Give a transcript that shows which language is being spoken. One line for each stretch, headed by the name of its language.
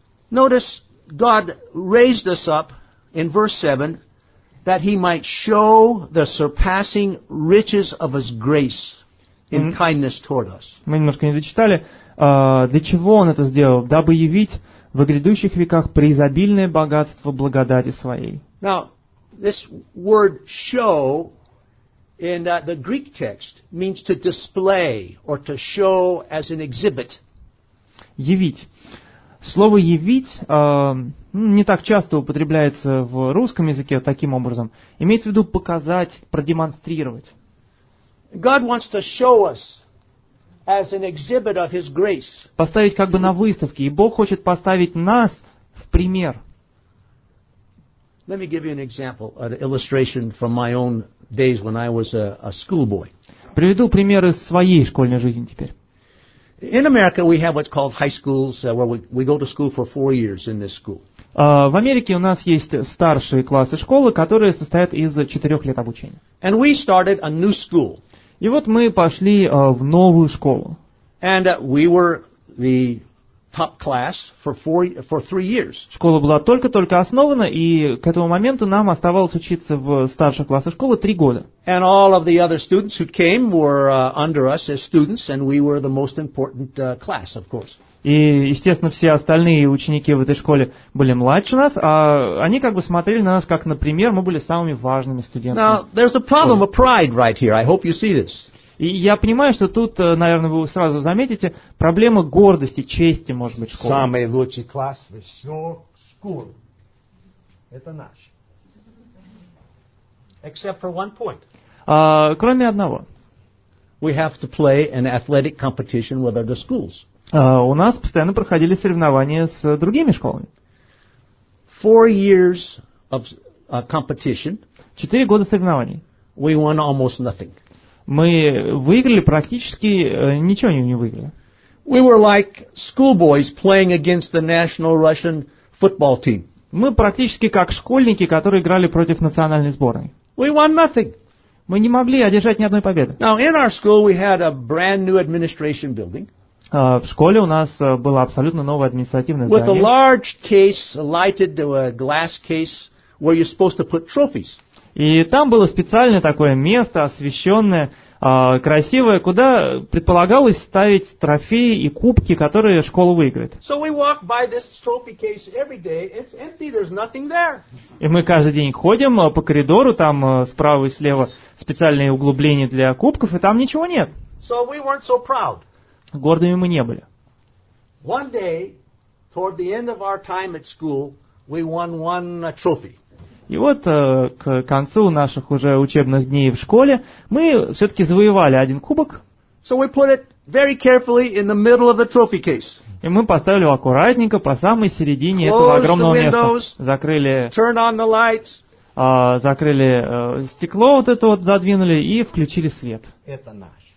English: Notice, God raised us up in verse 7 that He might show the surpassing riches of His grace in kindness toward us.
Russian: Мы немножко не дочитали. Для чего он это сделал? Дабы явить в грядущих веках преизобильное богатство благодати своей.
English: Now, This word show in the Greek text means to display or to show as an exhibit.
Russian: Явить. Слово явить не так часто употребляется в русском языке таким образом. Имеется в виду показать, продемонстрировать.
English: God wants to show us as an exhibit of his grace.
Russian: Поставить как бы на выставке. И Бог хочет поставить нас в пример.
English: Let me give you an example, an illustration from my own days when I was a schoolboy.
Russian: Приведу пример из своей школьной жизни теперь.
English: In America we have what's called high schools, where we go to school for 4 years in this school.
Russian: В Америке у нас есть старшие классы школы, которые состоят из 4 лет обучения.
English: And we started a new school.
Russian: И вот мы пошли в новую школу.
English: And we were the top class for 3 years.
Russian: Школа была только-только основана, и к этому моменту нам оставалось учиться в старших классах школы 3 года.
English: And all of the other students who came were under us as students, and we were the most important class, of course.
Russian: И, естественно, все остальные ученики в этой школе были младше нас, а они как бы смотрели на нас, как, например, мы были самыми важными студентами.
English: Now, there's a problem of pride right here. I hope you see this.
Russian: И я понимаю, что тут, наверное, вы сразу заметите проблемы гордости, чести, может быть, школы. Самый лучший класс во всей школе. Это наш.
English: Except for one point.
Russian: Кроме одного.
English: We have to play an athletic competition with other schools.
Russian: У нас постоянно проходили соревнования с другими школами.
English: 4 years of competition.
Russian: 4 года соревнований.
English: We won almost nothing.
Russian: Мы выиграли практически ничего не выиграли.
English: We were like schoolboys playing against the national Russian football team.
Russian: Мы практически как школьники, которые играли против национальной сборной.
English: We won nothing.
Russian: Мы не могли одержать ни одной победы.
English: Now in our school we had a brand new administration building.
Russian: В школе у нас было абсолютно новое административное здание.
English: With a large case, lighted glass case, where you're supposed to put trophies.
Russian: И там было специальное такое место, освещенное, красивое, куда предполагалось ставить трофеи и кубки, которые школа выиграет.
English: So we walk by this trophy case every day. It's empty. There's nothing there.
Russian: И мы каждый день ходим по коридору, там справа и слева специальные углубления для кубков, и там ничего нет.
English: So we weren't so proud.
Russian: Гордыми мы не были.
English: One day, toward the end of our time at school, we won one trophy.
Russian: И вот к концу наших уже учебных дней в школе мы все-таки завоевали один кубок.
English: So we put it very carefully in the middle of the trophy case.
Russian: И мы поставили его аккуратненько по самой середине
English: Closed
Russian: этого огромного места.
English: Windows,
Russian: закрыли.
English: Turn on the lights.
Russian: Закрыли стекло вот это вот задвинули и включили свет. Это наш.